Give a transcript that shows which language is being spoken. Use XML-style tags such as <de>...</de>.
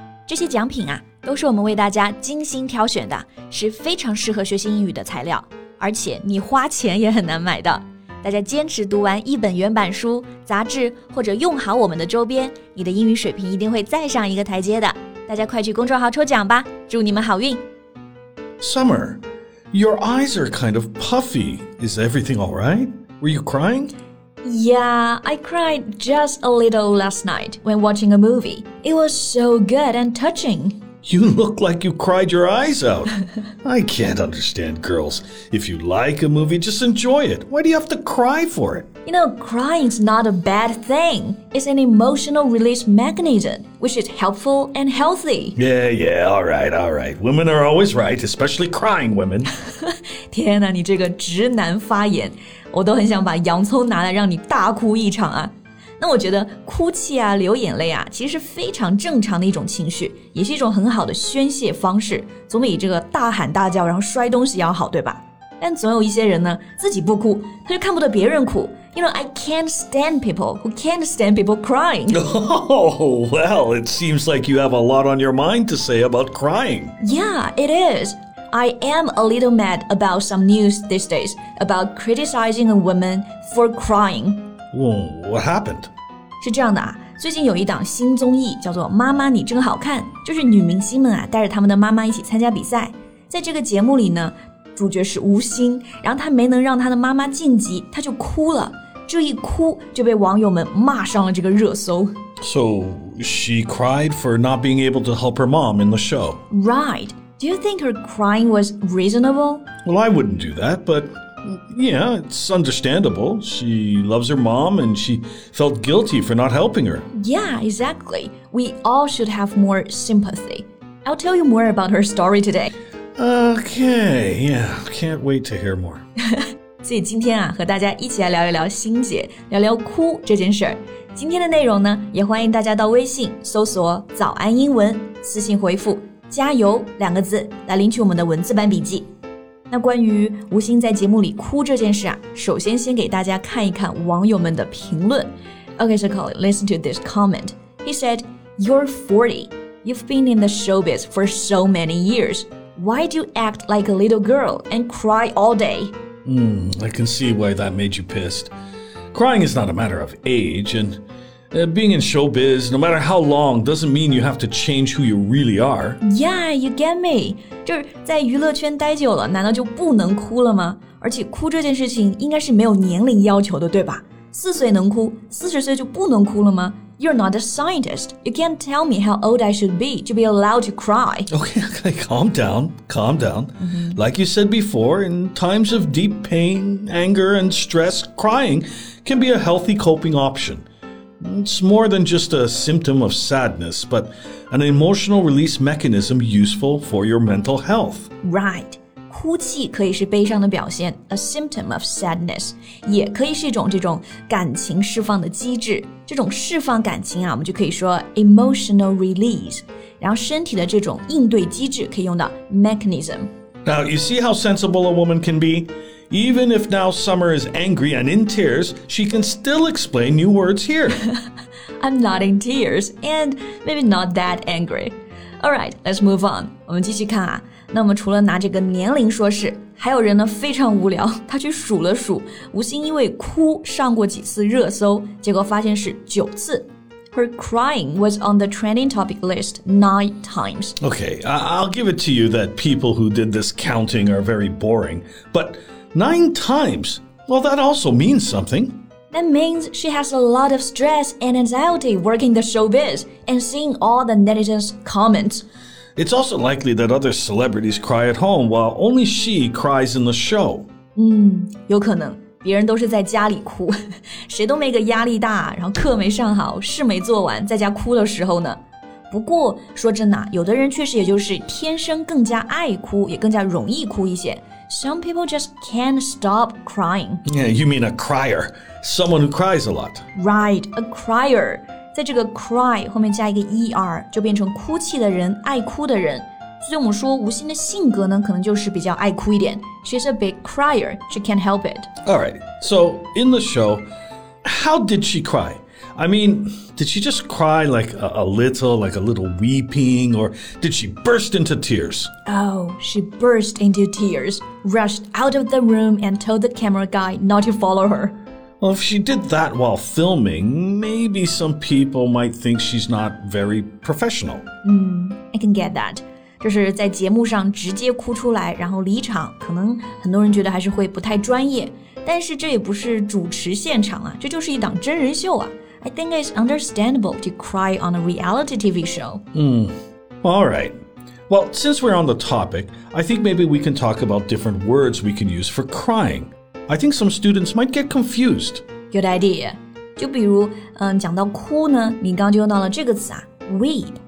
<zh>这些奖品啊，都是我们为大家精心挑选的，是非常适合学习英语的材料，而且你花钱也很难买的。大家坚持读完一本原版书、杂志，或者用好我们的周边，你的英语水平一定会再上一个台阶的。大家快去公众号抽奖吧，祝你们好运。</zh> <en>Summer, your eyes are kind of puffy. Is everything all right? Were you crying? Yeah, I cried just a little last night when watching a movie. It was so good and touching. You look like you cried your eyes out. I can't understand girls. If you like a movie, just enjoy it. Why do you have to cry for it? You know, crying's not a bad thing. It's an emotional release mechanism, which is helpful and healthy. Yeah, yeah, all right, all right. Women are always right, especially crying women.</en> <zh>天哪，你这个直男发言，我都很想把洋葱拿来让你大哭一场啊。那我觉得哭泣啊流眼泪啊其实是非常正常的一种情绪也是一种很好的宣泄方式总比这个大喊大叫然后摔东西要好对吧但总有一些人呢自己不哭他就看不得别人哭</zh> <en>You know, I can't stand people who can't stand people crying Oh, well, it seems like you have a lot on your mind to say about crying Yeah, it isI am a little mad about some news these days about criticizing a woman for crying. What happened?</en> <zh>是这样的啊，最近有一档新综艺叫做《妈妈你真好看》，就是女明星们啊带着她们的妈妈一起参加比赛。在这个节目里呢，主角是吴昕，然后她没能让她的妈妈晋级，她就哭了。这一哭就被网友们骂上了这个热搜。</zh> <en>So she cried for not being able to help her mom in the show. Right. Do you think her crying was reasonable? Well, I wouldn't do that, but... Yeah, it's understandable. She loves her mom and she felt guilty for not helping her. Yeah, exactly. We all should have more sympathy. I'll tell you more about her story today. Okay, yeah, can't wait to hear more.</en> <zh>所以今天啊，和大家一起来聊一聊心结，聊聊哭这件事儿。今天的内容呢，也欢迎大家到微信搜索“早安英文”，私信回复“加油”两个字来领取我们的文字版笔记。那关于吴昕在节目里哭这件事啊，首先先给大家看一看网友们的评论。</zh> <en>Okay, so Colin, listen to this comment. He said, "You're 40. You've been in the showbiz for so many years. Why do you act like a little girl and cry all day?" I can see why that made you pissed. Crying is not a matter of age, and being in showbiz, no matter how long, doesn't mean you have to change who you really are. Yeah, you get me.</en> <zh>就是在娱乐圈待久了，难道就不能哭了吗？而且哭这件事情应该是没有年龄要求的，对吧？四岁能哭，四十岁就不能哭了吗？</zh> <en>You're not a scientist. You can't tell me how old I should be to be allowed to cry. Okay, okay, calm down, calm down. Mm-hmm. Like you said before, in times of deep pain, anger, and stress, crying can be a healthy coping option. It's more than just a symptom of sadness, but an emotional release mechanism useful for your mental health. Right.</en> <zh>哭泣可以是悲伤的表现,</zh> <en>a symptom of sadness,</en> <zh>也可以是一种这种感情释放的机制。这种释放感情啊，我们就可以说</zh> <en>emotional release,</en> <zh>然后身体的这种应对机制可以用到 mechanism.</zh> <en>Now, you see how sensible a woman can be? Even if now Summer is angry and in tears, she can still explain new words here. I'm not in tears, and maybe not that angry. All right, let's move on.</en> <zh>我们继续看啊。那我们除了拿这个年龄说事，还有人呢非常无聊，他去数了数，吴昕因为哭上过几次热搜，结果发现是九次。</zh> <en>Her crying was on the trending topic list 9 times. Okay, I'll give it to you that people who did this counting are very boring, but... 9 times? Well, that also means something. That means she has a lot of stress and anxiety working the showbiz and seeing all the netizens' comments. It's also likely that other celebrities cry at home while only she cries in the show.</en> <zh>有可能。别人都是在家里哭。谁都没个压力大，然后课没上好，事没做完，在家哭的时候呢。不过说真的，有的人确实也就是天生更加爱哭，也更加容易哭一些。</zh> <en>Some people just can't stop crying. Yeah, you mean a crier. Someone who cries a lot. Right, a crier.</en> <zh>在这个 cry 后面加一个 er, 就变成哭泣的人，爱哭的人。所以我们说吴昕的性格呢，可能就是比较爱哭一点。</zh> <en>She's a big crier. She can't help it. Alright, so in the show, how did she cry? I mean, did she just cry like a little weeping, or did she burst into tears? Oh, she burst into tears, rushed out of the room and told the camera guy not to follow her. Well, if she did that while filming, maybe some people might think she's not very professional. I can get that.</en> <zh>就是在节目上直接哭出来然后离场可能很多人觉得还是会不太专业但是这也不是主持现场啊这就是一档真人秀啊</zh> <en>I think it's understandable to cry on a reality TV show Alright Well, since we're on the topic I think maybe we can talk about different words we can use for crying I think some students might get confused Good idea</en> <zh>就比如、讲到哭呢你刚就用到了这个词啊 Weep</zh>